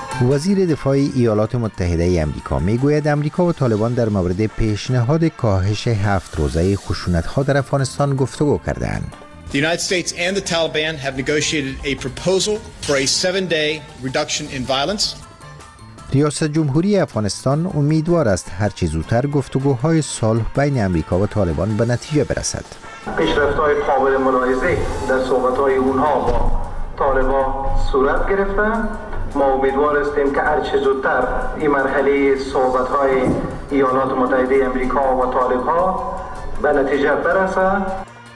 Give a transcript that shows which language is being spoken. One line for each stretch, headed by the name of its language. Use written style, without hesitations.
Persian: وزیر دفاع ایالات متحده امریکا میگوید امریکا و طالبان در مورد پیشنهاد کاهش 7 روزه خشونت‌ها در افغانستان گفتگو کردند.
English: The United States and the Taliban have negotiated a proposal for a 7-day reduction in violence.
Persian: ریاست جمهوری افغانستان امیدوار است هر چه زودتر گفتگوهای صلح بین امریکا و طالبان به نتیجه برسد. پیشرفت‌های قابل ملاحظه در صحبت‌های اونها با طالبان صورت گرفته. ما امیدوار هستیم که هرچه زودتر این مرحله صحبت های ایالات متحده امریکا و طالب ها به نتیجه برسد.